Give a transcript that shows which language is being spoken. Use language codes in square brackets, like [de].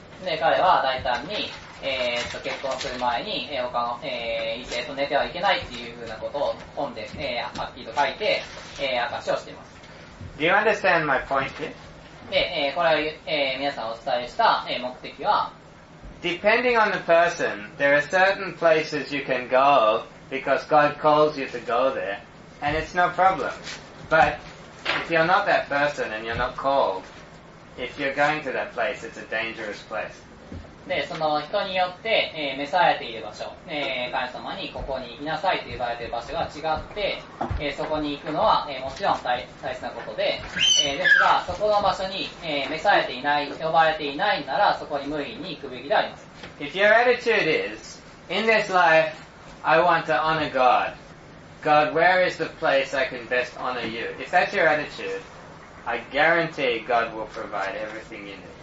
[ja] で、彼は大胆に、結婚する前に、他の、異性と寝てはいけないっていうふうなことを本で、はっきりと書いて、証しをしています。 [en] Do you understand my point here? [ja] で、これを、皆さんお伝えした、目的は、 [en] Depending on the person, there are certain places you can go because God calls you to go there, and it's no problem. But if you're not that person and you're not called, if you're going to that place, it's a dangerous place. [ja] で、その人によって、召されている場所、神様にここに行きなさいと言われている場所が違って、そこに行くのは、もちろん 大切なことで、ですが、そこの場所に、召されていない、呼ばれていないなら、そこに無理に行くべきであります。 [en] If your attitude is, in this life, I want to honor God. God, where is the place I can best honor you? If that's your attitude, I guarantee God will provide everything you need.